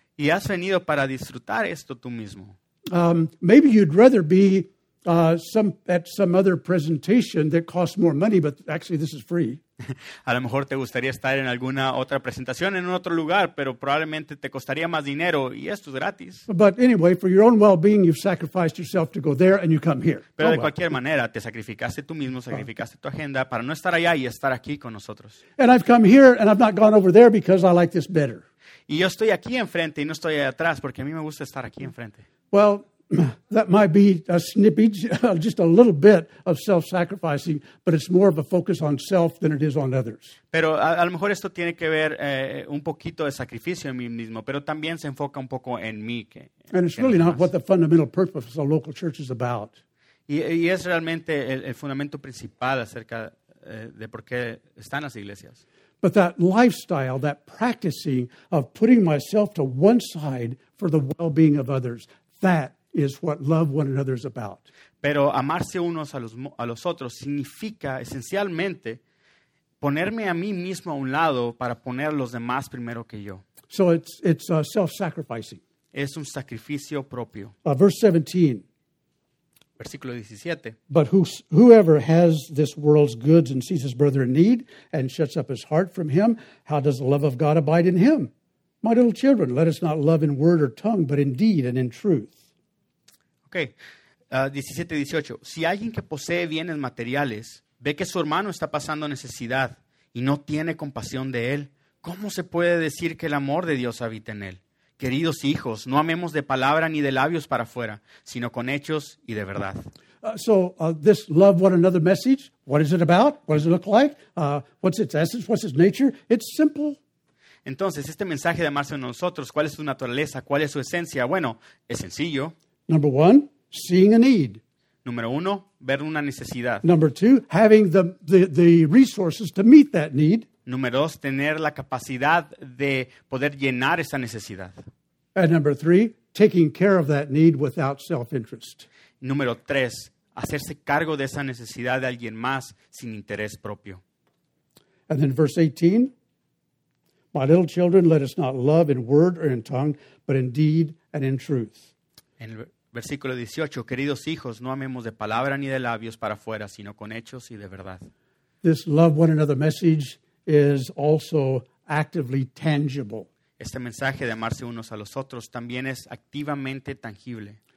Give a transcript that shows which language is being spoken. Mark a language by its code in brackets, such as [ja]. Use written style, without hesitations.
[es] Y has venido para disfrutar esto tú mismo. [en] Maybe you'd rather be at some other presentation that costs more money, but actually this is free. [es] A lo mejor te gustaría estar en alguna otra presentación en otro lugar, pero probablemente te costaría más dinero y esto es gratis. [en] But anyway, for your own well-being, you've sacrificed yourself to go there and you come here. [es] Pero de cualquier manera, te sacrificaste tú mismo, sacrificaste tu agenda para no estar allá y estar aquí con nosotros. [en] And I've come here and I've not gone over there because I like this better. [es] Y yo estoy aquí enfrente y no estoy allá atrás porque a mí me gusta estar aquí enfrente. [en] Well, that might be a snippage, just a little bit of self-sacrificing, but it's more of a focus on self than it is on others. [es] Pero a lo mejor esto tiene que ver un poquito de sacrificio en mí mismo, pero también se enfoca un poco en mí. [en] And it's really not what the fundamental purpose of a local church is about. [es] Y es realmente el fundamento principal acerca de por qué están las iglesias. [en] But that lifestyle, that practicing of putting myself to one side for the well-being of others, that is what love one another is about. [es] Pero amarse unos a los otros significa esencialmente ponerme a mí mismo a un lado para poner a los demás primero que yo. [en] So it's self-sacrificing. [es] Es un sacrificio propio. [en] Verse 17. [es] Versículo 17. [en] But whoever has this world's goods and sees his brother in need and shuts up his heart from him, how does the love of God abide in him? My little children, let us not love in word or tongue, but in deed and in truth. Okay, 17, 18. [es] Si alguien que posee bienes materiales ve que su hermano está pasando necesidad y no tiene compasión de él, ¿cómo se puede decir que el amor de Dios habita en él? Queridos hijos, no amemos de palabra ni de labios para afuera, sino con hechos y de verdad. [en] This love one another message, what is it about? What does it look like? What's its essence? What's its nature? It's simple. [es] Entonces, este mensaje de amarse a nosotros, ¿cuál es su naturaleza? ¿Cuál es su esencia? Bueno, es sencillo. [en] Number one, seeing a need. [es] Número uno, ver una necesidad. [en] Number two, having the resources to meet that need. [es] Número dos, tener la capacidad de poder llenar esa necesidad. [en] And number three, taking care of that need without self-interest. [es] Número tres, hacerse cargo de esa necesidad de alguien más sin interés propio. [en] And then verse 18, my little children, let us not love in word or in tongue, but in deed and in truth. [es] En el versículo 18, queridos hijos, no amemos de palabra ni de labios para afuera, sino con hechos y de verdad. [en] This love one another message is also actively tangible. [es] Este mensaje de amarse unos a los otros también es activamente tangible.